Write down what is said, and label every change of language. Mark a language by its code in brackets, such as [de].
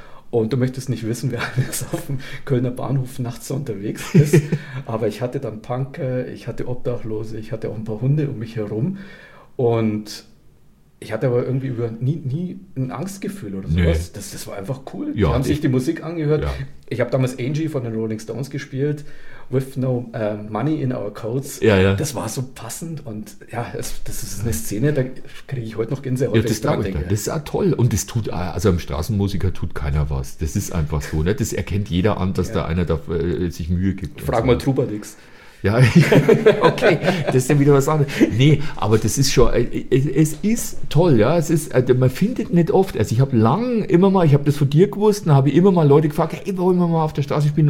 [de] Und du möchtest nicht wissen, wer alles auf dem Kölner Bahnhof nachts so unterwegs ist. Aber ich hatte dann Punker, ich hatte Obdachlose, ich hatte auch ein paar Hunde um mich herum. Und ich hatte aber irgendwie nie ein Angstgefühl oder sowas. Nee. Das war einfach cool. Ja, die haben sich die Musik angehört. Ja. Ich habe damals Angie von den Rolling Stones gespielt. [en] With no money in our coats. [de] Ja, ja. Das war so passend und ja, das ist eine Szene, da kriege ich heute noch Gänsehaut. Ja, das glaube ich. Das ist auch toll und das tut, also einem Straßenmusiker tut keiner was. Das ist einfach so. Ne? Das erkennt jeder an, dass ja. da einer da sich Mühe gibt. Frag mal Trubadix. Ja, okay, das ist ja wieder was anderes. Nee, aber das ist schon, es ist toll, ja, es ist, man findet nicht oft, also ich habe lang immer mal, ich habe das von dir gewusst, dann habe ich immer mal Leute gefragt, ey, wollen wir mal auf der Straße spielen?